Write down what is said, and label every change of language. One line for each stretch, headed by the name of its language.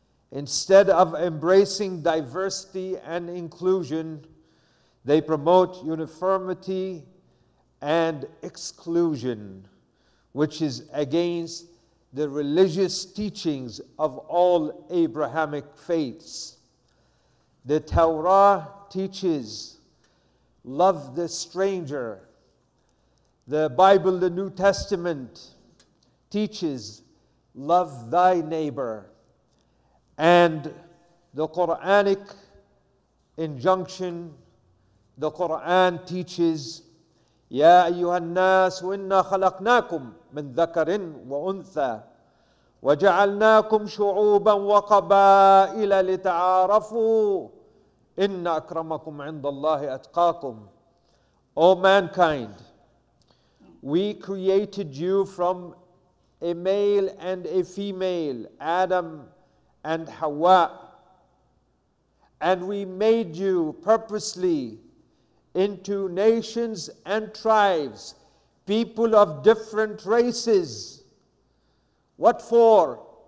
English: Instead of embracing diversity and inclusion, they promote uniformity and exclusion, which is against the religious teachings of all Abrahamic faiths. The Torah teaches, love the stranger. The Bible, the New Testament, teaches, love thy neighbor. And the Quranic injunction, the Quran teaches,
Arabic: يا أيها الناس وإنا خلقناكم من ذكر وأنثى وجعلناكم شعوبا وقبائل لتعارفوا إن أكرمكم عند الله أتقاكم.
English: O mankind, we created you from a male and a female, Adam and Hawa, and we made you purposely into nations and tribes, people of different races. What for?